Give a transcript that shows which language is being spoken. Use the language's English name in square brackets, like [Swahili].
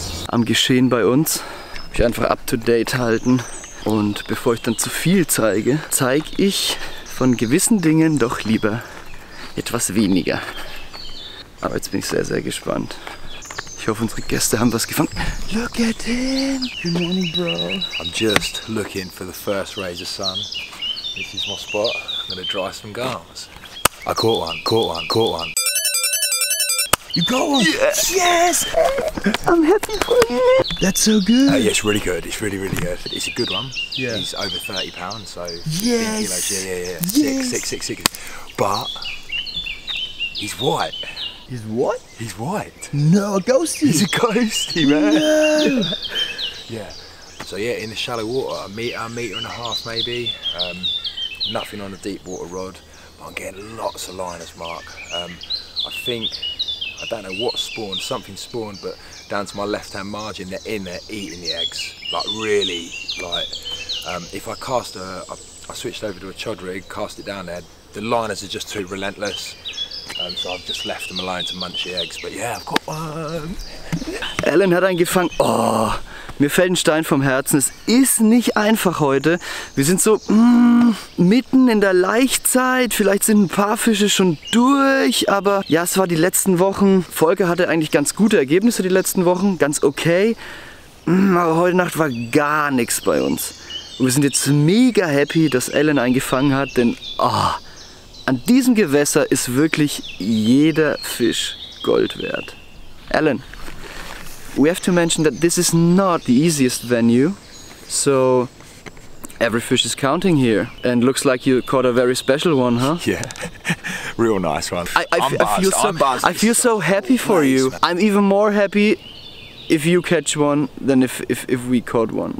[German] Am Geschehen bei uns. Mich einfach up to date halten. Und bevor ich dann zu viel zeige, zeige ich von gewissen Dingen doch lieber etwas weniger. Aber jetzt bin ich sehr, sehr gespannt. Ich hoffe, unsere Gäste haben was gefangen. [English] Look at him! Good morning, bro. I'm just looking for the first rays of sun. This is my spot. I'm gonna dry some garms. I caught one. You got one? Yes! Yes! I'm happy for you. That's so good. Yeah, it's really good. It's really, really good. It's a good one. Yeah. He's over 30 pounds, so... Yes! Yeah. Six. But he's white. He's what? He's white. No, a ghosty. He's a ghosty, man. No. Yeah. So, yeah, in the shallow water, a meter and a half maybe. Nothing on the deep water rod. But I'm getting lots of liners, Mark. I don't know what spawned, something spawned, but down to my left-hand margin, they're in there eating the eggs. Like, really, like, if I cast I switched over to a chod rig, cast it down there, the liners are just too relentless, so I've just left them alone to munch the eggs, but yeah, I've got one. [German] Ellen hat einen gefangen. Oh, mir fällt ein Stein vom Herzen. Es ist nicht einfach heute. Wir sind so mitten in der Laichzeit. Vielleicht sind ein paar Fische schon durch, aber ja, es war die letzten Wochen. Volker hatte eigentlich ganz gute Ergebnisse die letzten Wochen, ganz okay. Aber heute Nacht war gar nichts bei uns. Und wir sind jetzt mega happy, dass Ellen einen gefangen hat, denn oh, an diesem Gewässer ist wirklich jeder Fisch Gold wert. Ellen. [English] We have to mention that this is not the easiest venue, so every fish is counting here. And looks like you caught a very special one, huh? Yeah, Real nice one. I feel so happy for you. Man. I'm even more happy if you catch one than if we caught one.